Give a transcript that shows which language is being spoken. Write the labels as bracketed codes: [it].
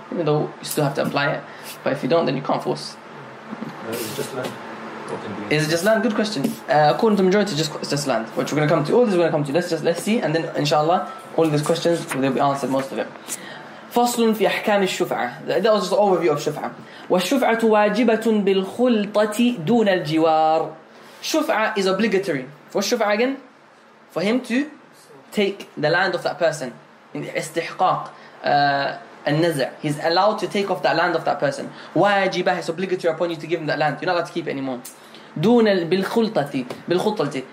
[en] Even though you still have to apply it, but if you don't, then you can't force. Is it just land? Good question. According to the majority, it's just land, which we're going to come to. All this we're going to come to. Let's see, and then inshallah, all these questions will be answered, most of it. [ar] فصل في أحكام الشفعة. [en] That was just an overview of شفعة. [ar] والشفعة واجبة بالخلطة دون الجوار. [en] شفعة is obligatory. What's شفعة again? For him to take the land of that person. [ar] استحقاق النزع. [en] He's allowed to take off that land of that person. واجبة, it's obligatory upon you to give him that land. You're not allowed to keep it anymore. [ar] دون بالخلطة. بالخلطة.